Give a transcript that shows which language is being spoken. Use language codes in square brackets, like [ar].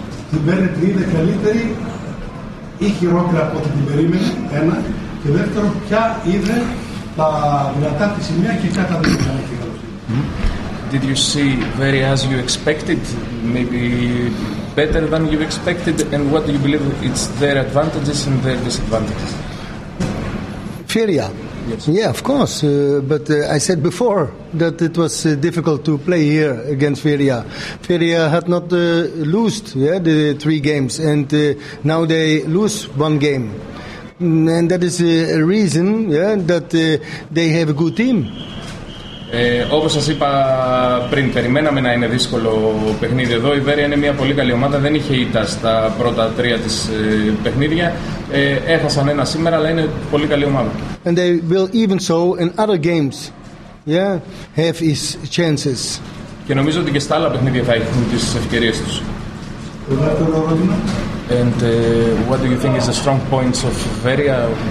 [el] Την Μπέρνετ είναι καλύτερη ή χειρότερη από ό,τι την περίμενε, ένα. Και δεύτερο, ποια είδε τα δυνατά της σημεία και ποια τα δυνατά. [en] Did you see very as you expected, maybe better than you expected, and what do you believe it's their advantages and their disadvantages? Veria. Yes. Yeah, of course. But I said before that it was difficult to play here against Veria. Veria had not lost the 3 games, and now they lose 1 game. And that is a reason that they have a good team. [el] Όπως σας είπα πριν, περιμέναμε να είναι δύσκολο παιχνίδι εδώ. Η Veria είναι μια πολύ καλή ομάδα, δεν είχε ήττα στα πρώτα 3 της παιχνίδια. Έχασαν ένα σήμερα, αλλά είναι πολύ καλή ομάδα. [en] And they will even so in other games have his chances. [el] Και νομίζω ότι και στα άλλα παιχνίδια θα έχουν τις ευκαιρίες τους. Το δεύτερο ερώτημα. [en] And what do you think is the strong points of Veria?